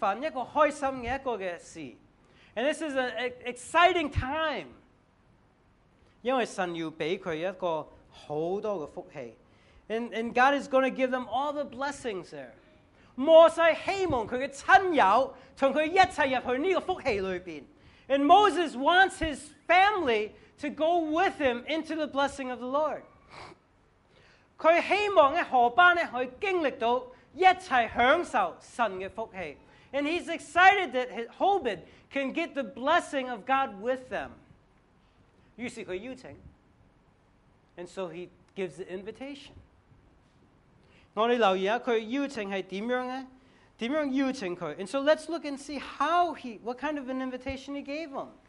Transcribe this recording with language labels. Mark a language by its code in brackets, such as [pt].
[zh] 是一个非常之兴奋,一个开心的一个事。 [en] And this is an exciting time. [zh] 因为神要给他一个很多的福气。 [en] And God is going to give them all the blessings there. [zh] 摩西希望他的亲友和他一起进入这个福气里面。 [en] And Moses wants his family to go with him into the blessing of the Lord. [zh] 他希望何班可以经历到 一起享受神的福气。 [en] And he's excited that Hobit can get the blessing of God with them. [zh] 于是他邀请, [en] and so he gives the invitation. [zh] 我们留意一下他邀请是怎样的,怎样邀请他。 [en] And so let's look and see how he, what kind of an invitation he gave him.